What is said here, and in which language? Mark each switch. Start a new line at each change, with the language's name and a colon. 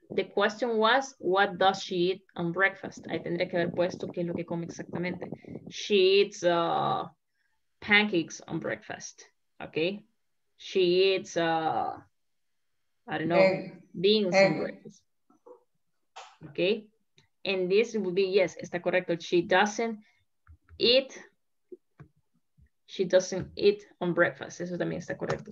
English: The question was, what does she eat on breakfast?
Spanish: Ahí tendría que haber puesto qué es lo que come exactamente.
English: She eats pancakes on breakfast. Okay. She eats, I don't know, beans on breakfast. Okay. And this would be, yes,
Spanish: está correcto.
English: She doesn't eat on breakfast.
Spanish: Eso también está correcto.